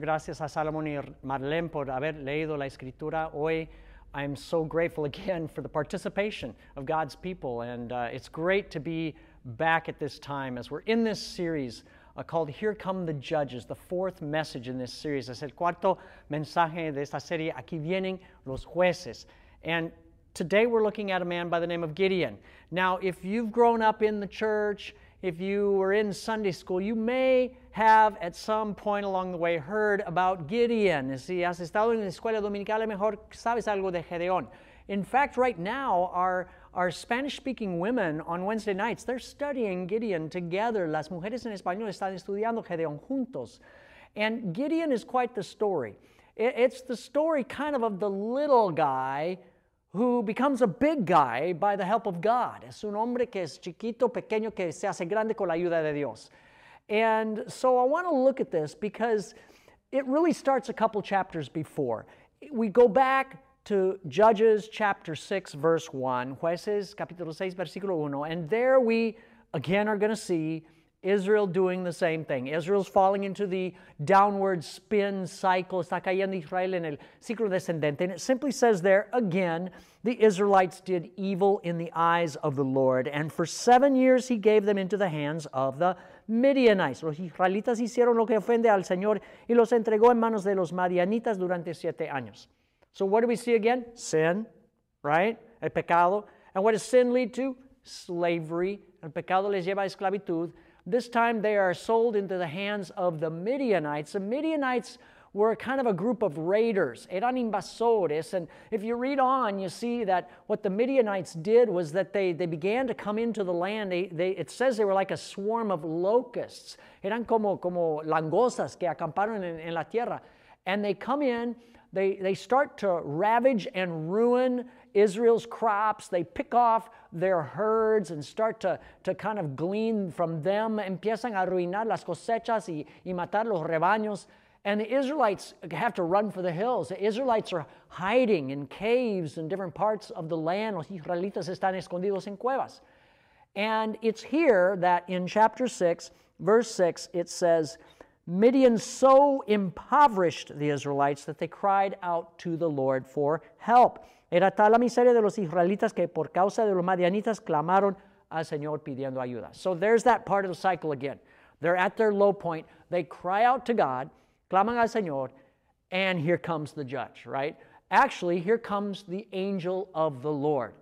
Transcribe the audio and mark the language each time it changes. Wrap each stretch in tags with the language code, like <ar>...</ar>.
<es>Gracias a Salomón y Marlene por haber leído la escritura hoy.</es> <en>I am so grateful again for the participation of God's people, and it's great to be back at this time as we're in this series called Here Come the Judges, the fourth message in this series.</en> <es>Es el cuarto mensaje de esta serie, Aquí Vienen los Jueces.</es> <en>And today we're looking at a man by the name of Gideon. Now, if you've grown up in the church, if you were in Sunday school, you may have at some point along the way heard about Gideon.</en> <es>Si has estado en la escuela dominical, mejor sabes algo de Gedeón.</es> <en>In fact, right now, our Spanish-speaking women on Wednesday nights, they're studying Gideon together.</en> <es>Las mujeres en español están estudiando Gedeón juntos.</es> <en>And Gideon is quite the story. It's the story kind of the little guy who becomes a big guy by the help of God.</en> <es>Es un hombre que es chiquito, pequeño, que se hace grande con la ayuda de Dios.</es> <en>And so I want to look at this because it really starts a couple chapters before. We go back to Judges chapter 6, verse 1,</en> <es>Jueces, capítulo 6, versículo 1,</es> <en>and there we again are going to see Israel doing the same thing. Israel's falling into the downward spin cycle.</en> <es>Está cayendo Israel en el ciclo descendente.</es> <en>And it simply says there, again, the Israelites did evil in the eyes of the Lord. And for 7 years he gave them into the hands of the Midianites.</en> <es>Los israelitas hicieron lo que ofende al Señor y los entregó en manos de los madianitas durante 7 años.</es> <en>So what do we see again? Sin, right?</en> <es>El pecado.</es> <en>And what does sin lead to? Slavery.</en> <es>El pecado les lleva a esclavitud.</es> <en>This time they are sold into the hands of the Midianites. The Midianites were kind of a group of raiders.</en> <es>Eran invasores.</es> <en>And if you read on, you see that what the Midianites did was that they began to come into the land. It says they were like a swarm of locusts.</en> <es>Eran como langostas que acamparon en la tierra.</es> <en>And they come in, they start to ravage and ruin Israel's crops. They pick off their herds and start to kind of glean from them.</en> <es>Empiezan a arruinar las cosechas y matar los rebaños.</es> <en>And the Israelites have to run for the hills. The Israelites are hiding in caves in different parts of the land.</en> <es>Los israelitas están escondidos en cuevas.</es> <en>And it's here that in chapter 6, verse 6, it says, Midian so impoverished the Israelites that they cried out to the Lord for help.</en> <es>Era tal la miseria de los israelitas que por causa de los madianitas clamaron al Señor pidiendo ayuda.</es> <en>So there's that part of the cycle again. They're at their low point. They cry out to God,</en> <es>claman al Señor,</es> <en>and here comes the judge, right? Actually, here comes the angel of the Lord.</en>